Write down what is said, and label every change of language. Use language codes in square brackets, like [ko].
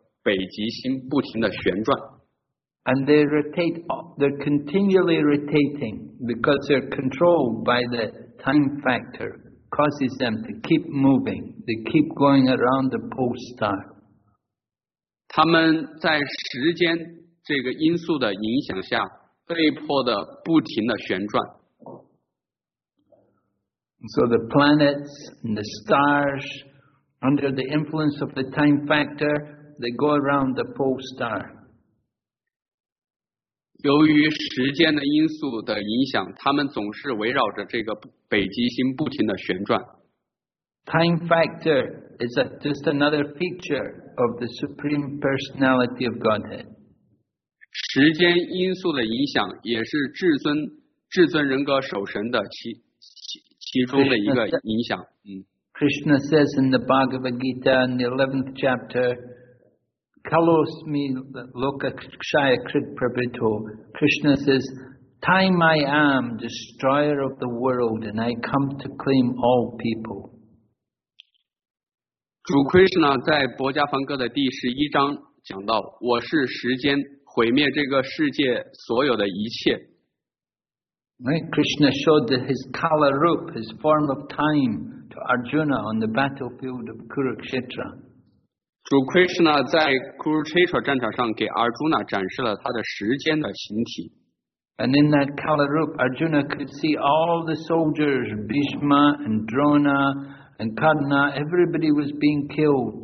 [zh] 北极星不停地旋转 [en] and they rotate, they're continually rotating because they're controlled by the time factor causes them to keep moving they keep going around the pole star [zh] 他们在时间这个因素的影响下被迫地不停地旋转 [en] so the planets and the stars under the influence of the time factorThey go around the pole star. [zh] 由于时间的因素的影响，他们总是围绕着这个北极星不停的旋转。 [en] Time factor is just another feature of the Supreme Personality of Godhead. [zh] 时间因素的影响也是至尊人格守神的其中的一个影响。 [en] Krishna says in the Bhagavad Gita in the 11th chapter. [sa] Kalosmi loka kshaya krit prabhito. [en] Krishna says, Time I am, destroyer of the world, and I come to claim all people. [zh] 主 Krishna 在《薄伽梵歌》的第十一章讲到，我是时间，毁灭这个世界所有的一切。 [en] Right? Krishna showed that his Kala Rup, his form of time, to Arjuna on the battlefield of Kurukshetra. [zh] 主 Krishna 在 Kurukshetra 战场上给 Arjuna 展示了他的时间的形体。 [en] And in that Kala Rup, Arjuna could see all the soldiers, Bhishma and Drona and Karna, everybody was being killed.